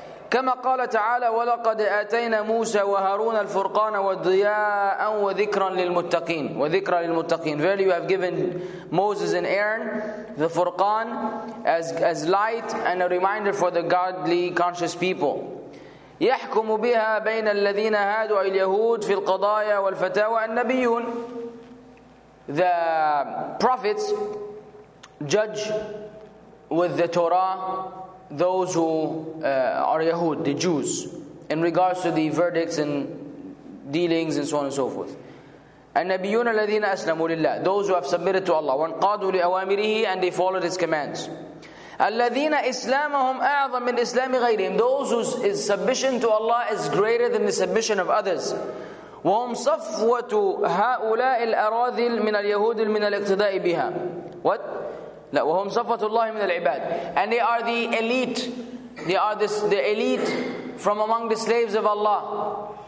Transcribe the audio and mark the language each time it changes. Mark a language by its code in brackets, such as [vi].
[ar] كما قال تعالى ولقد آتينا موسى وهارون الفرقان والضياء وذكرا للمتقين. وذكرا للمتقين. [en] Verily you have given Moses and Aaron the Furqan as light and a reminder for the godly conscious people. [ar] يحكم بها بين الذين هادوا اليهود في القضايا والفتاوى النبيون. [en] The prophets judge with the Torah those who are Yahud, the Jews, in regards to the verdicts and dealings and so on and so forth. [ar] النبيون الذين أسلموا لله, [en] those who have submitted to Allah, [ar] وانقادوا لأوامره, [en] and they followed His commands. [ar] الذين إسلامهم أعظم من إسلام غيرهم, [en] those whose submission to Allah is greater than the submission of others. [ar] وهم صفوة هؤلاء الأراذل من اليهود من الاقتداء بها. [en] What? [ar] لا, وهم صفوة الله من العباد. [en] And they are the elite. They are the elite from among the slaves of Allah.